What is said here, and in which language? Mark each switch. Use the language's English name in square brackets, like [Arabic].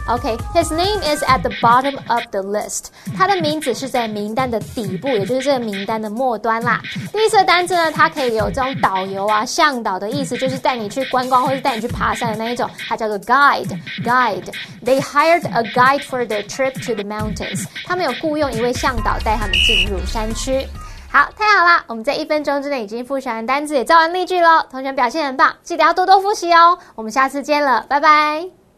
[English] Okay, his name is at the bottom of the list. [Chinese] 他的名字是在名单的底部，也就是这个名单的末端啦。第四个单字呢，它可以有这种导游啊、向导的意思，就是带你去观光或是带你去爬山的那一种。它叫做 guide, guide. [English] They hired a guide for their trip to the mountains. [Chinese] 他们有雇用一位向导带他们进入山区。好，太好了，我们在一分钟之内已经复习完单字，也造完例句了，同学表现很棒，记得要多多复习哦，我们下次见了，拜拜。